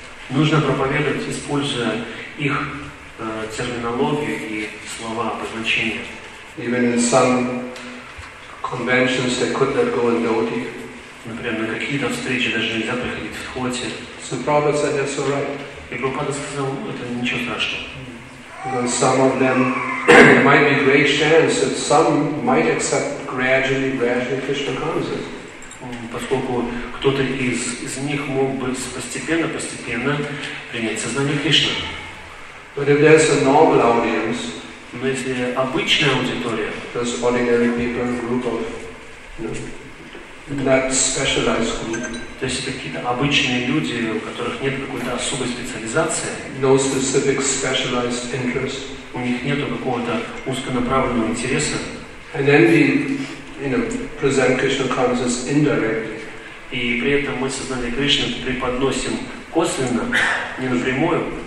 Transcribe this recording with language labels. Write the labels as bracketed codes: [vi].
[ru] Нужно проповедовать, используя их терминологию и слова, обозначения. [en] Even in some conventions they could not go in dhoti. [ru] Например, на какие-то встречи даже нельзя приходить в дхоти. [en] So Prabhupada said that's all right. [ru] И Прабхупада сказал, это ничего страшного. [en] Because some of them, there might be great chance that some might accept gradually Krishna consciousness. [ru] Поскольку кто-то из них мог бы постепенно принять сознание Кришны. [en] But if there's a normal audience, [ru] но если обычная аудитория, [en] those ordinary people, group of, not specialized group, [ru] то есть это какие-то обычные люди, у которых нет какой-то особой специализации, [en] no specific specialized interest, [ru] у них нету какого-то узконаправленного интереса, [en] and then we, present Krishna consciousness indirectly, [ru] и при этом мы сознание Кришны преподносим косвенно, не напрямую,